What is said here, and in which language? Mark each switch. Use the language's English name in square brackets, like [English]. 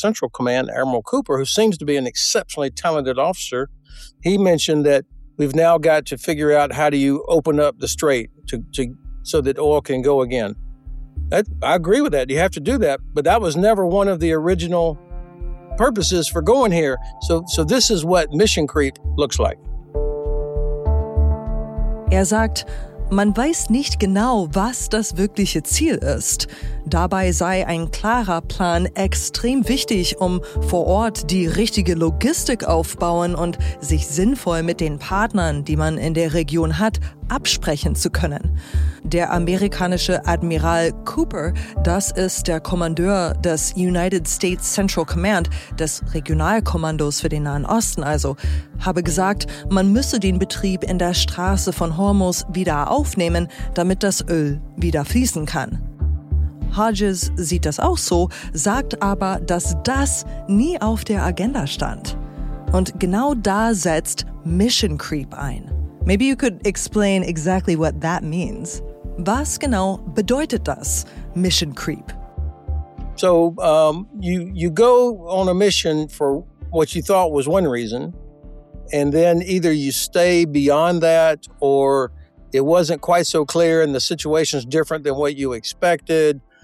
[English] Central Command, Admiral Cooper, who seems to be an exceptionally talented officer, he mentioned that we've now got to figure out how do you open up the strait to so that oil can go again. I agree with that. You have to do that. But that was never one of the original purposes for going here. So this is what mission creep looks like. [German] Er sagt, man weiß nicht genau, was das wirkliche Ziel ist. Dabei sei ein klarer Plan extrem wichtig, um vor Ort die richtige Logistik aufbauen und sich sinnvoll mit den Partnern, die man in der Region hat, absprechen zu können. Der amerikanische Admiral Cooper, das ist der Kommandeur des United States Central Command, des Regionalkommandos für den Nahen Osten also, habe gesagt, man müsse den Betrieb in der Straße von Hormuz wieder aufnehmen, damit das Öl wieder fließen kann. Hodges sieht das auch so, sagt aber, dass das nie auf der Agenda stand. Und genau da setzt Mission Creep ein. [English] Maybe you could explain exactly what that means. [German] Was genau bedeutet das, Mission Creep? [English] So you go on a mission for what you thought was one reason, and then either you stay beyond that or it wasn't quite so clear and the situation's different than what you expected.